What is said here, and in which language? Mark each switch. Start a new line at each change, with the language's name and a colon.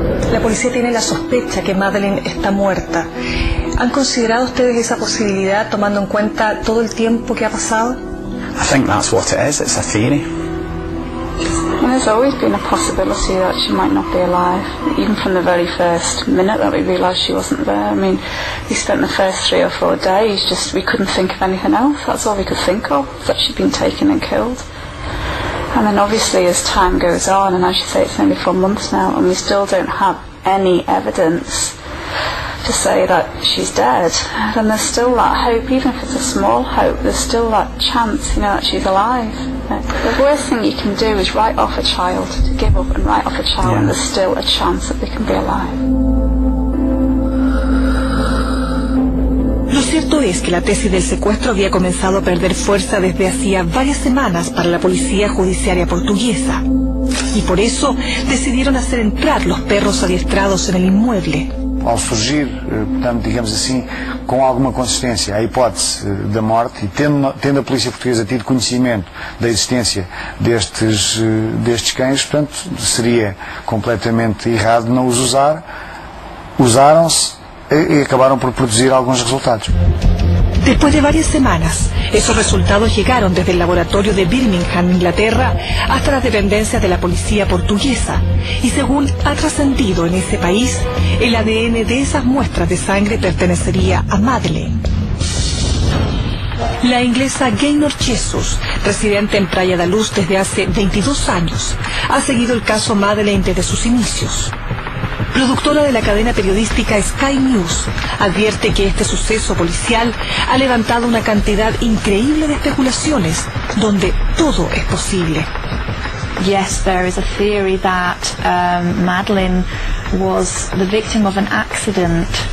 Spanish: La policía tiene la sospecha que Madeleine está muerta. ¿Han considerado ustedes esa posibilidad tomando en cuenta todo el tiempo que ha pasado?
English: I think that's what it is. It's a theory. Well, there's always been a possibility that she might not be alive, even from the very first minute that we realised she wasn't there. I mean, we spent the first 3 or 4 days just, we couldn't think of anything else. That's all we could think of, that she'd been taken and killed. And then obviously as time goes on, and as you say, it's only 4 months now, and we still don't have any evidence to say that she's dead, then there's still that hope, even if it's a small hope, there's still that chance, you know, that she's alive. The worst thing you can do is write off a child, to give up and write off a child, yeah. And there's still a chance that they can be alive.
Spanish: Lo cierto es que la tesis del secuestro había comenzado a perder fuerza desde hacía varias semanas para la policía judiciaria portuguesa. Y por eso decidieron hacer entrar los perros adiestrados en el inmueble.
Portuguese: Al surgir, portanto, digamos assim, com alguma consistência, a hipótese da morte, e tendo a polícia portuguesa tido conhecimento da existência destes cães, portanto, seria completamente errado não os usar. Usaram-se.
Spanish: Y acabaron por producir algunos resultados. Después de varias semanas, esos resultados llegaron desde el laboratorio de Birmingham, Inglaterra, hasta las dependencias de la policía portuguesa. Y según ha trascendido en ese país, el ADN de esas muestras de sangre pertenecería a Madeleine. La inglesa Gaynor Jesus, residente en Praia da Luz desde hace 22 años, ha seguido el caso Madeleine desde sus inicios. Productora de la cadena periodística Sky News, advierte que este suceso policial ha levantado una cantidad increíble de especulaciones, donde todo es posible.
English: Yes, there is a theory that Madeleine was the victim of an accident.